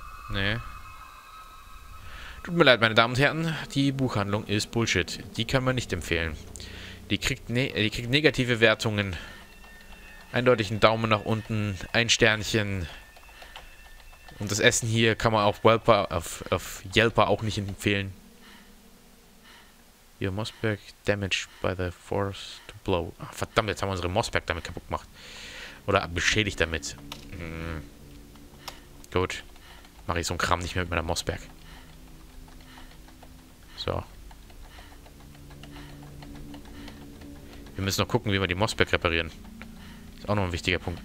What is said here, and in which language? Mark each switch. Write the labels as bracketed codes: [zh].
[de] Nee. Tut mir leid, meine Damen und Herren, die Buchhandlung ist Bullshit. Die kann man nicht empfehlen. Die kriegt negative Wertungen. Eindeutig einen Daumen nach unten, ein Sternchen. Und das Essen hier kann man auf Yelper auch nicht empfehlen. [en] Ihr Mossberg damaged by the force to blow. [de] Ach, verdammt, jetzt haben wir unsere Mossberg damit kaputt gemacht. Oder beschädigt damit. Gut. Mache ich so einen Kram nicht mehr mit meiner Mossberg. So. Wir müssen noch gucken, wie wir die Mossberg reparieren. Ist auch noch ein wichtiger Punkt.